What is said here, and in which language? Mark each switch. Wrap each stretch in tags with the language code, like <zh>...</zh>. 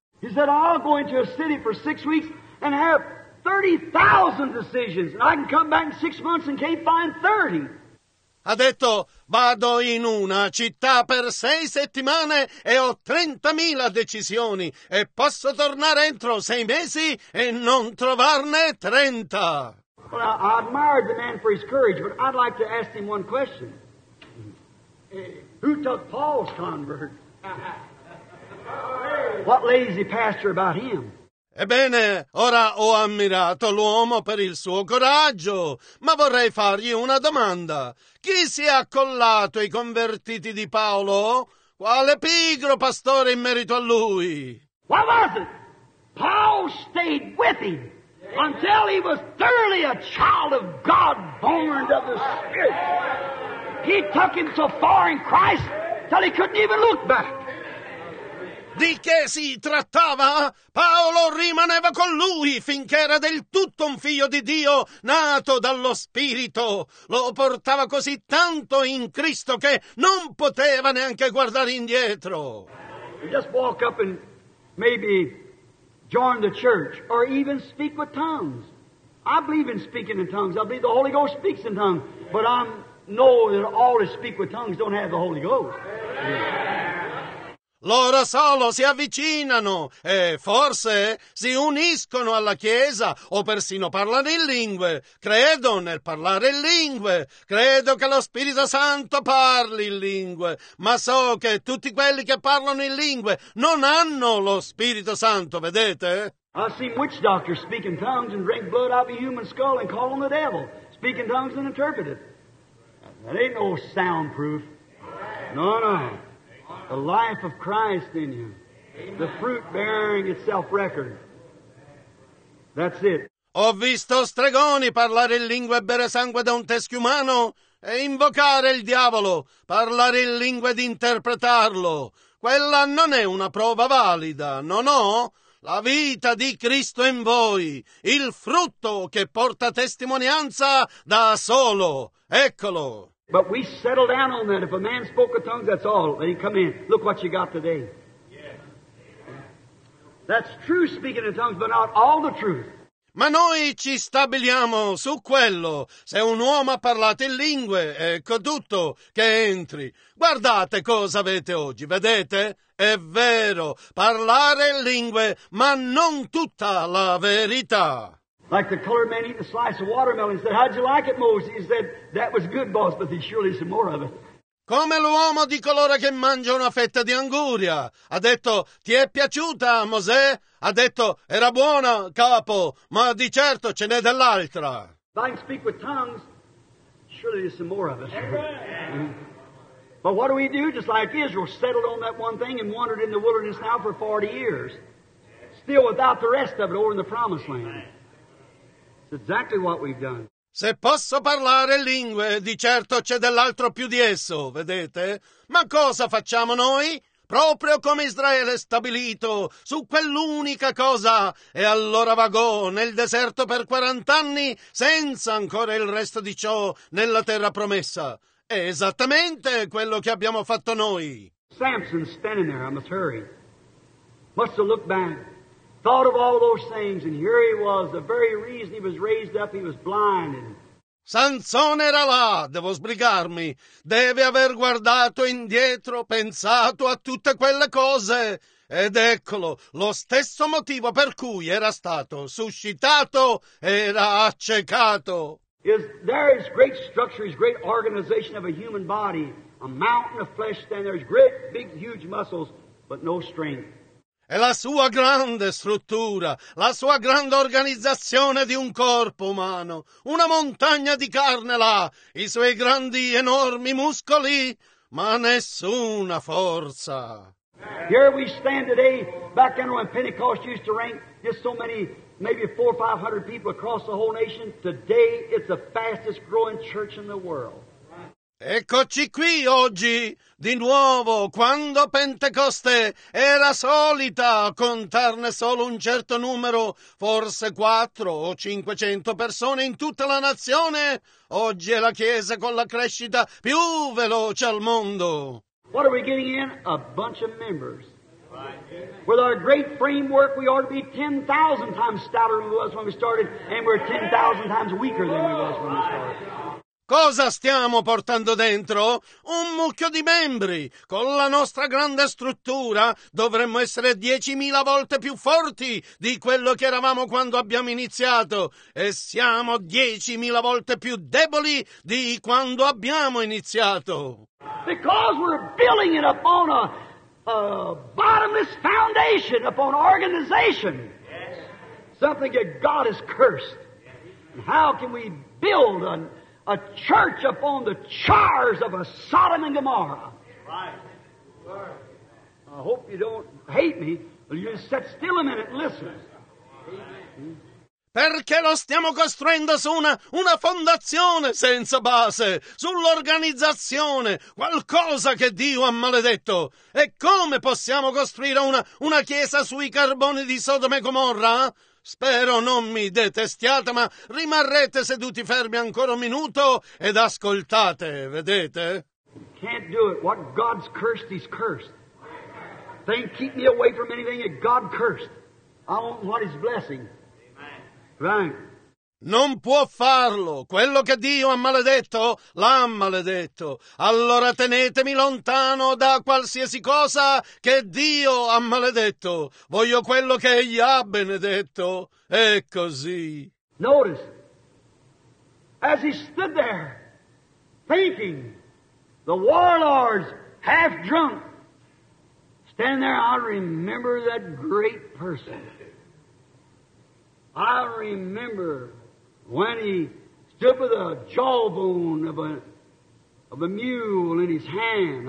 <en>He said, I'll go into a city for 6 weeks and have 30,000 decisions. And I can come back in 6 months and can't find 30.</en> <it>Ha detto, vado in una città per 6 settimane e ho 30.000 decisioni e posso tornare entro 6 mesi e non trovarne 30.</it> <en>Well, I admired the man for his courage, but I'd like to ask him one question. Who took Paul's convert? What lazy pastor about him?</en> <it>Ebbene, ora ho ammirato l'uomo per il suo coraggio, ma vorrei fargli una domanda. Chi si è accollato ai convertiti di Paolo? Quale pigro pastore in merito a lui?</it> <en>What was it? Paul stayed with him until he was thoroughly a child of God, born of the Spirit. He took him so far in Christ till he couldn't even look back.</en> <it>Di che si trattava? Paolo rimaneva con lui finché era del tutto un figlio di Dio, nato dallo Spirito. Lo portava così tanto in Cristo che non poteva neanche guardare indietro.</it> <en>Just walk up and maybe join the church or even speak with tongues. I believe in speaking in tongues. I believe the Holy Ghost speaks in tongues. But I know that all that speak with tongues don't have the Holy Ghost. Yeah.</en> <it>Loro solo si avvicinano e forse si uniscono alla Chiesa o persino parlano in lingue. Credo nel parlare in lingue. Credo che lo Spirito Santo parli in lingue. Ma so che tutti quelli che parlano in lingue non hanno lo Spirito Santo, vedete?</it> <en>I see witch doctors speak in tongues and drink blood out of a human skull and call on the devil. Speak in tongues and interpret it. That ain't no soundproof. No, no. The life of Christ in you. The fruit bearing itself record. That's it.</en> <it>Ho visto stregoni parlare in lingue e bere sangue da un teschio umano e invocare il diavolo, parlare in lingue ed interpretarlo. Quella non è una prova valida, no, no? La vita di Cristo in voi, il frutto che porta testimonianza da solo. Eccolo.</it> <en>But we settle down on that. If a man spoke with tongues, that's all. Then he come in. Look what you got today. Yes. That's true speaking in tongues, but not all the truth.</en> <it>Ma noi ci stabiliamo su quello. Se un uomo ha parlato in lingue, ecco tutto, che entri. Guardate cosa avete oggi, vedete? È vero, parlare in lingue, ma non tutta la verità.</it> <en>Like the colored man eating a slice of watermelon. He said, how'd you like it, Moses? He said, that was good, boss, but there's surely some more of it.</en> <it>Come l'uomo di colore che mangia una fetta di anguria. Ha detto, ti è piaciuta, Mosè? Ha detto, era buona, capo, ma di certo ce n'è dell'altra.</it> <en>If I can speak with tongues, surely there's some more of it. Mm-hmm. But what do? Just like Israel, settled on that one thing and wandered in the wilderness now for 40 years. Still without the rest of it over in the promised land. It's exactly what we've done.</en> <it>Se posso parlare lingue, di certo c'è dell'altro più di esso, vedete? Ma cosa facciamo noi? Proprio come Israele stabilito, su quell'unica cosa. E allora vagò nel deserto per 40 anni senza ancora il resto di ciò nella terra promessa. È esattamente quello che abbiamo fatto noi.</it> <en>Samson standing there, I must hurry. Must have looked back. Thought of all those things, and here he was, the very reason he was raised up, he was blind.</en> <it>Sansone era là, devo sbrigarmi. Deve aver guardato indietro, pensato a tutte quelle cose. Ed eccolo, lo stesso motivo per cui era stato suscitato, era accecato.</it> <en>There is great structure, is great organization of a human body. A mountain of flesh stand there, is great, big, huge muscles, but no strength.</en> <it>È la sua grande struttura, la sua grande organizzazione di un corpo umano, una montagna di carne là, i suoi grandi, enormi muscoli, ma nessuna forza.</it> <en>Here we stand today, back then when Pentecost used to rank just so many, maybe 400 or 500 people across the whole nation. Today it's the fastest growing church in the world.</en> <it>Eccoci qui oggi, di nuovo, quando Pentecoste era solita contarne solo un certo numero, forse 400 o 500 persone in tutta la nazione. Oggi è la Chiesa con la crescita più veloce al mondo.</it> <en>What are we getting in? A bunch of members. With our great framework, we ought to be 10,000 times stouter than we was when we started, and we're 10,000 times weaker than we was when we started.</en> <it>Cosa stiamo portando dentro? Un mucchio di membri. Con la nostra grande struttura dovremmo essere 10.000 volte più forti di quello che eravamo quando abbiamo iniziato. E siamo 10.000 volte più deboli di quando abbiamo iniziato.</it> <en>Because we're building it upon a bottomless foundation, upon organization. Yes. Something that God has cursed. And how can we build on a church upon the chars of a Sodom and Gomorrah. Right. I hope you don't hate me. You just sit still a minute and listen.</en> <it>Perché lo stiamo costruendo su una fondazione senza base, sull'organizzazione, qualcosa che Dio ha maledetto. E come possiamo costruire una chiesa sui carboni di Sodoma e Gomorra? Spero non mi detestiate, ma rimarrete seduti fermi ancora un minuto ed ascoltate, vedete?</it> <en>Can't do it. What God's cursed, he's cursed. They keep me away from anything that God cursed. I want what is blessing. Amen. Right.</en> <it>Non può farlo. Quello che Dio ha maledetto, l'ha maledetto. Allora tenetemi lontano da qualsiasi cosa che Dio ha maledetto. Voglio quello che Egli ha benedetto. E così.</it> <en>Notice, as he stood there, thinking, the warlords half drunk, stand there, I remember that great person. I remember when he stood with a jawbone of a mule in his hand.</en>